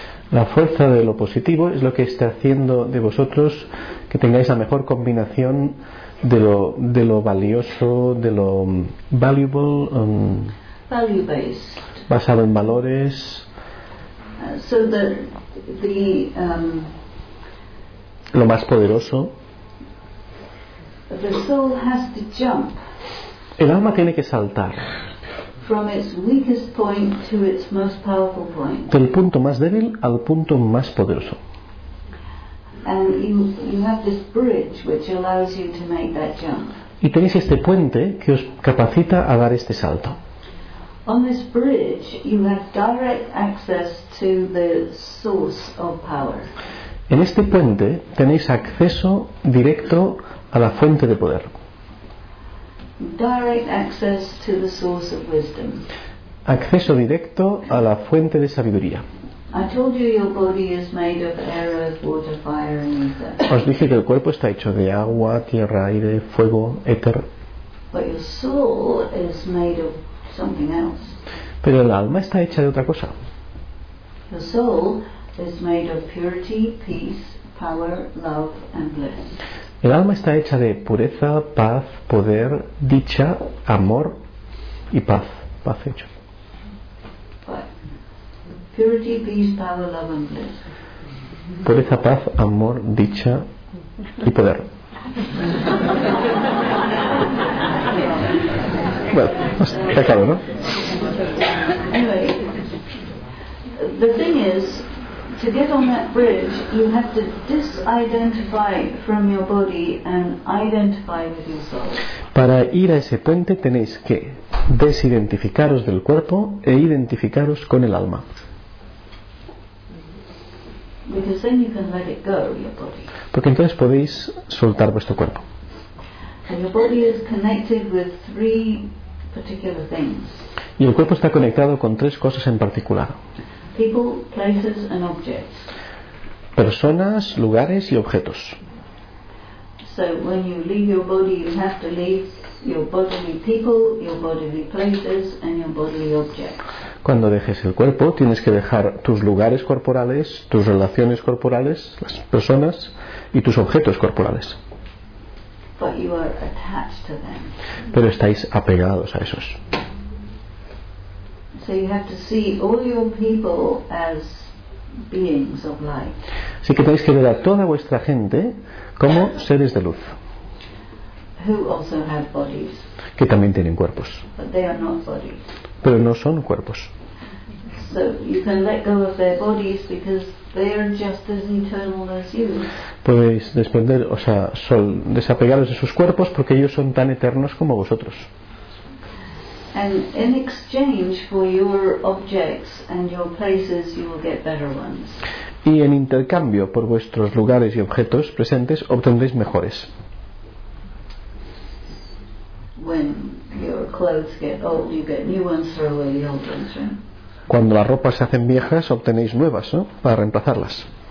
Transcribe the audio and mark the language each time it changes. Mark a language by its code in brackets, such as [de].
[es] La fuerza de lo positivo es lo que está haciendo de vosotros que tengáis la mejor combinación de lo valioso, de lo valuable, [en] value-based. [es] Basado en valores. [en] So that the [es] lo más poderoso. [en] The soul has to jump. [es] El alma tiene que saltar. [en] From its weakest point to its most powerful point. [es] Del punto más débil al punto más poderoso. [en] And you have this bridge which allows you to make that jump. [es] Y tenéis este puente que os capacita a dar este salto. [en] On this bridge you have direct access to the source of power. [es] En este puente tenéis acceso directo a la fuente de poder. [en] Direct access to the source of wisdom. [es] Acceso directo a la fuente de sabiduría. [en] I told you your body is made of air, earth, water, fire and ether. [es] Os dije que el cuerpo está hecho de agua, tierra, aire, fuego, éter. [en] But your soul is made of something else. [es] Pero el alma está hecha de otra cosa. [en] Your soul is made of purity, peace, power, love and bliss. [es] El alma está hecha de pureza, paz, poder, dicha, amor y paz. Paz hecho. [en] Purity, peace, power, love and bliss. [es] Pureza, paz, amor, dicha y poder. Bueno, está claro, ¿no? [en] Anyway, the thing is, to get on that bridge, you have to disidentify from your body and identify with your soul. [es] Para ir a ese puente tenéis que desidentificaros del cuerpo e identificaros con el alma. [en] Because then you can let it go, your body. [es] Porque entonces podéis soltar vuestro cuerpo. [en] And your body is connected with three particular things. [es] Y el cuerpo está conectado con tres cosas en particular. [en] People, places and objects. [es] Personas, lugares y objetos. [en] So when you leave your body, you have to leave your bodily people, your bodily places and your bodily objects. [es] Cuando dejes el cuerpo, tienes que dejar tus lugares corporales, tus relaciones corporales, las personas y tus objetos corporales. [en] but you are attached to them. [es] Pero estáis apegados a esos. [en] So you have to see all your people as beings of light. [es] Así que tenéis que ver a toda vuestra gente como seres de luz. [en] Who also have bodies. [es] Que también tienen cuerpos. [en] But they are not bodies. [es] Pero no son cuerpos. [en] So you can let go of their bodies because they are just as eternal as you. [es] Podéis desprender, o sea, desapegaros de sus cuerpos porque ellos son tan eternos como vosotros. [en] And in exchange for your objects and your places, you will get better ones. [es] Y en intercambio por vuestros lugares y objetos presentes obtendréis mejores. [en] When your clothes get old, you get new ones, throw away the old ones, right? [es] Cuando las ropas se hacen viejas, obtenéis nuevas, ¿no? Para reemplazarlas.